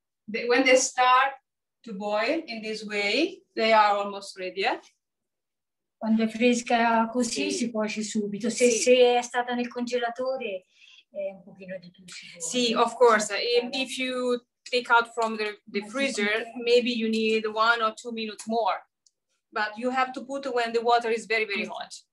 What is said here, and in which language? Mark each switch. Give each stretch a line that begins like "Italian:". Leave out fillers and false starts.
English: They, when they start to boil in this way, they are almost ready. Eh?
Italian: Quando è fresca così sì. Si cuoce subito. Se, sì. Se è stata nel congelatore è un pochino di più.
English: Sì, of course. If you take out from the freezer, maybe you need 1 or 2 minutes more. But you have to put when the water is very, very hot.